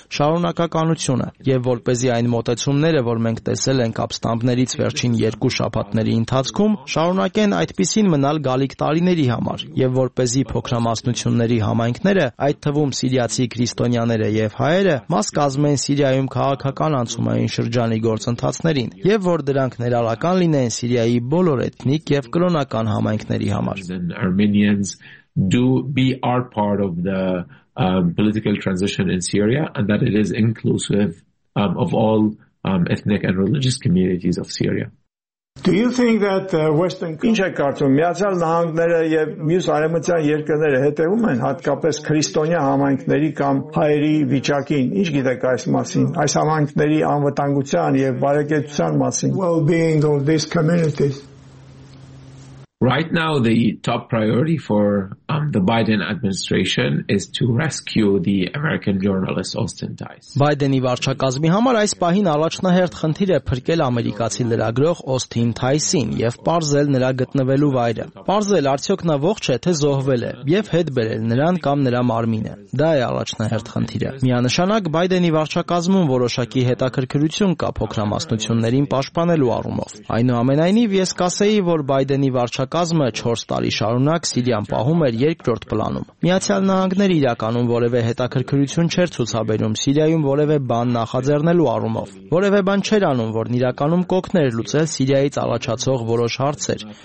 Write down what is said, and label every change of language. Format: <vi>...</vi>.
<hy>շարունակականությունը, եւ որպեսզի այն մոտեցումները, որ մենք տեսել ենք ապստամբներից վերջին երկու շաբաթների ընթացքում, շարունակեն այդպիսին մնալ գալիք տարիների համար։ Եվ որպեսզի փոքրամասնությունների համայնքները, այդ թվում սիրիացի քրիստոնյաները եւ հայերը, մաս կազմեն Սիրիայում քաղաքական անցումային շրջանի գործընթացներին, եւ որ դրանք ներառական լինեն Սիրիայի բոլոր էթնիկ եւ կրոնական համայնքների համար։</hy> <en>Armenians do be are part of the political transition in Syria and that it is inclusive of all ethnic and religious communities of Syria. Do you think that Western countries are well-being of these communities? Right now, the top priority for the Biden administration is to rescue the American journalist Austin Tice.</en> <hy>Biden-ի վարչակազմի համար այս պահին առաջնահերթ խնդիր է փրկել ամերիկացի լրագրող Austin Tice-ին և պարզել նրա գտնվելու վայրը։ Պարզել արդյոք նա ողջ է, թե զոհվել է, և հետ բերել նրան կամ նրա մարմինը։ Դա է առաջնահերթ խնդիրը։ Միանշանակ Biden-ի վարչակազմում որոշակի հետաքրքրություն կա փոքրամասնություններին պաշտպանելու առումով։ Այնուամենայնիվ, ես կասեի, որ Biden-ի վարչակազմը 4 տարի շարունակ Սիրիան պահում էր երկրորդ պլանում։ Միացյալ Նահանգների իրականում որևէ հետաքրքրություն չէր ցուցաբերում Սիրիայում որևէ բան նախաձեռնելու առումով։ Որևէ բան չէր անում, որն իրականում կօգներ լուծել Սիրիայից առաջացող որոշ հարցեր,</hy>